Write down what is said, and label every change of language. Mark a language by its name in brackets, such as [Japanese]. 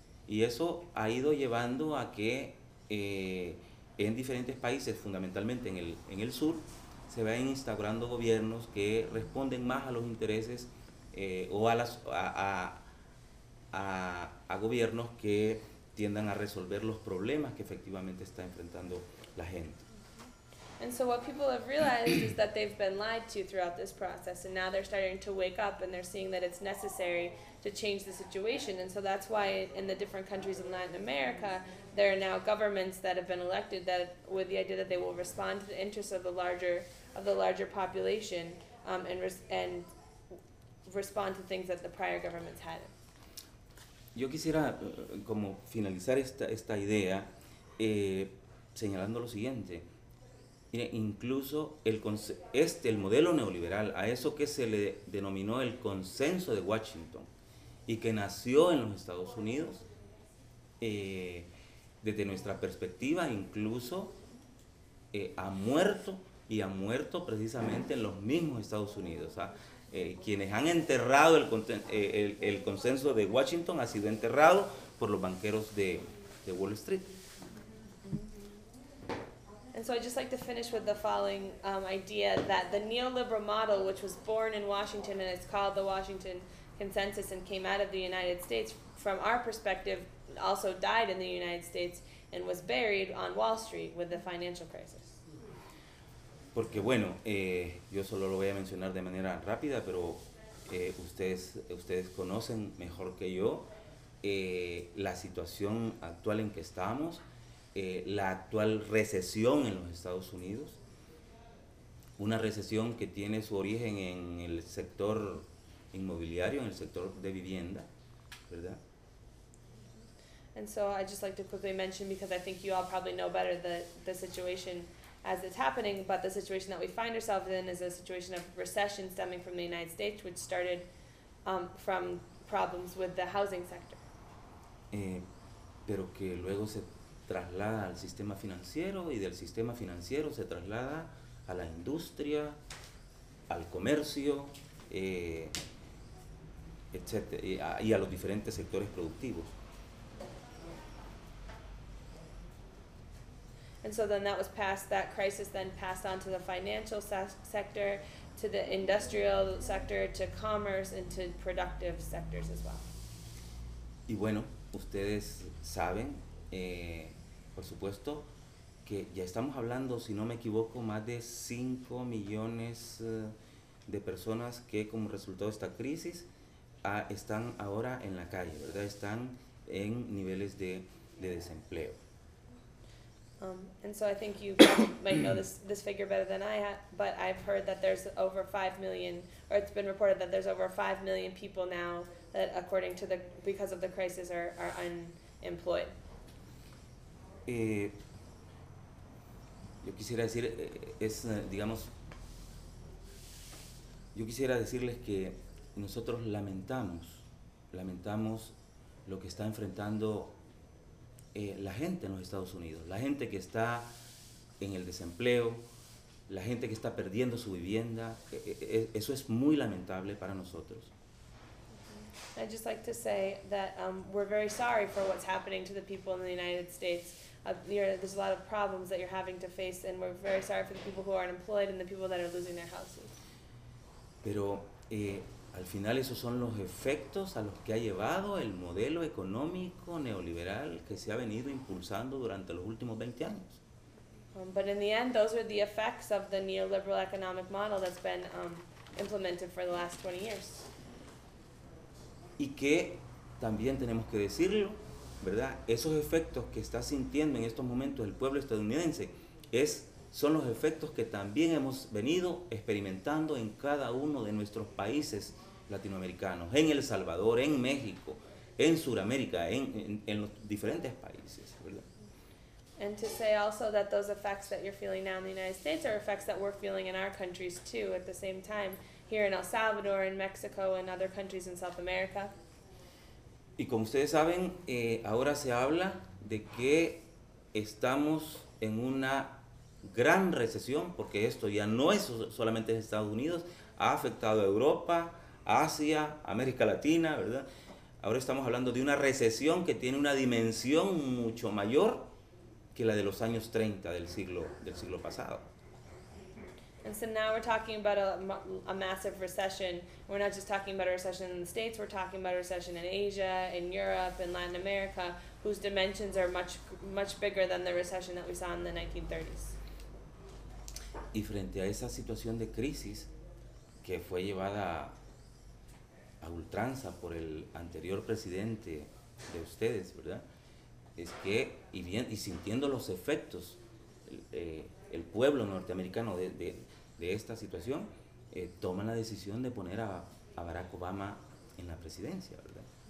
[Spanish] Y eso ha ido llevando a que en diferentes países, fundamentalmente en el sur, se vayan instaurando gobiernos que responden más a los intereses o a gobiernos que tiendan a resolver los problemas que efectivamente está enfrentando la gente. [English] And so what people have realized is that they've been lied to throughout this process, and now they're starting to wake up and they're seeing that it's necessary to change the situation. And so that's why in the different countries in Latin America, there are now governments that have been elected that with the idea that they will respond to the interests of the larger population and respond to things that the prior governments had. [Spanish] Yo quisiera como finalizar esta idea señalando lo siguiente. Mire, incluso el modelo neoliberal, a eso que se le denominó el consenso de Washington y que nació en los Estados Unidos, desde nuestra perspectiva, incluso ha muerto, y ha muerto precisamente en los mismos Estados Unidos. Quienes han enterrado el consenso de Washington ha sido enterrado por los banqueros de Wall Street. [English] And so I'd just like to finish with the following idea that the neoliberal model, which was born in Washington and it's called the Washington Consensus and came out of the United States, from our perspective, also died in the United States and was buried on Wall Street with the financial crisis. [Spanish] Porque bueno, yo solo lo voy a mencionar de manera rápida, pero ustedes conocen mejor que yo la situación actual en que estamos. La actual recesión en los Estados Unidos, una recesión que tiene su origen en el sector inmobiliario, en el sector de vivienda, ¿verdad? [English] And so I just like to quickly mention, because I think you all probably know better the situation as it's happening, but the situation that we find ourselves in is a situation of recession stemming from the United States, which started from problems with the housing sector. [Spanish] Pero que luego se traslada al sistema financiero y del sistema financiero se traslada a la industria, al comercio, etcétera, y a los diferentes sectores productivos. [English] And so then that crisis then passed on to the financial sector, to the industrial sector, to commerce and to productive sectors as well. [Spanish] Y bueno, ustedes saben, por supuesto, que ya estamos hablando, si no me equivoco, más de 5 millones de personas que como resultado de esta crisis están ahora en la calle, ¿verdad? Están en niveles de desempleo. [English] And so I think you might know this figure better than I have, but I've heard that there's over 5 million, or it's been reported that there's over 5 million people now that, according to because of the crisis, are unemployed. [Spanish] Yo quisiera decir, digamos, yo quisiera decirles que nosotros lamentamos lo que está enfrentando la gente en los Estados Unidos, la gente que está en el desempleo, la gente que está perdiendo su vivienda, eso es muy lamentable para nosotros. [English] I'd just like to say that we're very sorry for what's happening to the people in the United States. There's a lot of problems that you're having to face, and we're very sorry for the people who are unemployed and the people that are losing their houses. [Spanish] Pero al final esos son los efectos a los que ha llevado el modelo económico neoliberal que se ha venido impulsando durante los últimos 20 años. [English] But in the end, those are the effects of the neoliberal economic model that's been implemented for the last 20 years. [Spanish] Y que también tenemos que decirlo, ¿verdad? Esos efectos que está sintiendo en estos momentos el pueblo estadounidense son los efectos que también hemos venido experimentando en cada uno de nuestros países latinoamericanos, en El Salvador, en México, en Sudamérica, en los diferentes países, ¿verdad? [English] And to say also that those effects that you're feeling now in the United States are effects that we're feeling in our countries too at the same time, here in El Salvador, in Mexico, and other countries in South America. [Spanish] Y como ustedes saben, ahora se habla de que estamos en una gran recesión, porque esto ya no es solamente Estados Unidos, ha afectado a Europa, Asia, América Latina, ¿verdad? Ahora estamos hablando de una recesión que tiene una dimensión mucho mayor que la de los años 30 del siglo pasado. [English] And so now we're talking about a massive recession. We're not just talking about a recession in the States, we're talking about a recession in Asia, in Europe, in Latin America, whose dimensions are much, much bigger than the recession that we saw in the 1930s. [Spanish] Y frente a esa situación de crisis que fue llevada a ultranza por el anterior presidente de ustedes, ¿verdad? Es que, y sintiendo los efectos, el pueblo norteamericano de esta situación, toma la decisión de poner a Barack Obama en la presidencia, ¿verdad?